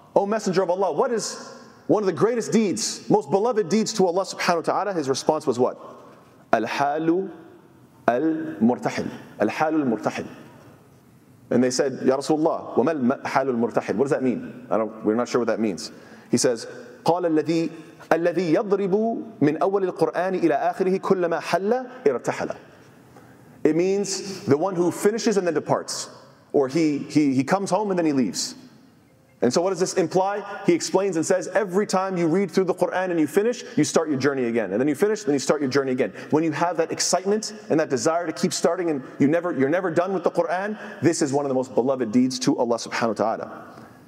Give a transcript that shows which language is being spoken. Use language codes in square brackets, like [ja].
[en] O Messenger of Allah, what is one of the greatest deeds, most beloved deeds to Allah subhanahu wa ta'ala? His response was what? Al-halu al-murtahil. Al-halu al-murtahil. And they said, Ya Rasulullah, wa mal halul murtahil? What does that mean? We're not sure what that means. He says, [ar] قال الذي الذي يضرب من أول القرآن إلى آخره كلما حل ارتحل. [en] It means the one who finishes and then departs, or he comes home and then he leaves. And so what does this imply? He explains and says, every time you read through the Qur'an and you finish, you start your journey again. And then you finish, then you start your journey again. When you have that excitement and that desire to keep starting and you're never done with the Qur'an, this is one of the most beloved deeds to Allah subhanahu wa ta'ala.